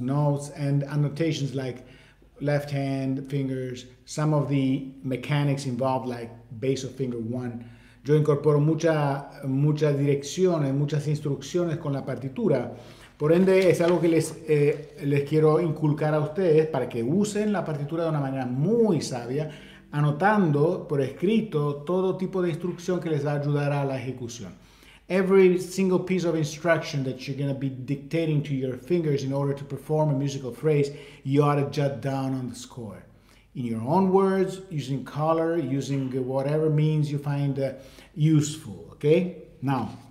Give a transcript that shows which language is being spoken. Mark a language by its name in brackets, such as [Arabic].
[English] Notes and annotations like left hand, fingers, some of the mechanics involved like base of finger one. [Spanish] Yo incorporo mucha direcciones, muchas instrucciones con la partitura. Por ende, es algo que les quiero inculcar a ustedes para que usen la partitura de una manera muy sabia, anotando por escrito todo tipo de instrucción que les va a ayudar a la ejecución. [English] Every single piece of instruction that you're going to be dictating to your fingers in order to perform a musical phrase, you ought to jot down on the score. In your own words, using color, using whatever means you find useful, okay? Now...